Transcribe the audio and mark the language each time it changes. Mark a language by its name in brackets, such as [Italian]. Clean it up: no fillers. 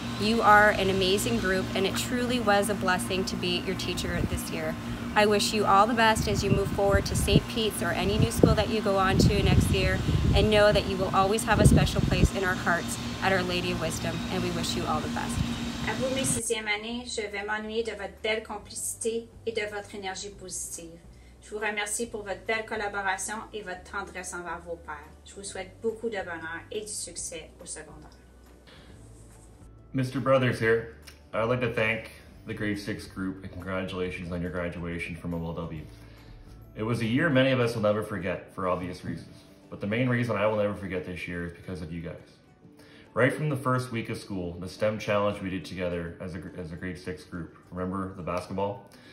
[English] You are an amazing group, and it truly was a blessing to be your teacher this year. I wish you all the best as you move forward to St. Pete's or any new school that you go on to next year, and know that you will always have a special place in our hearts at Our Lady of Wisdom, and we wish you all the best. [French] À vous, mes sixième années, je vais m'ennuyer de votre belle complicité et de votre énergie positive. Je vous remercie pour votre belle collaboration et votre tendresse envers vos pères. Je vous souhaite beaucoup de bonheur et du succès au secondaire. [English] Mr. Brothers here. I'd like to thank the grade six group and congratulations on your graduation from OLW. It was a year many of us will never forget for obvious reasons, but the main reason I will never forget this year is because of you guys. Right from the first week of school, the STEM challenge we did together as a grade six group, remember the basketball?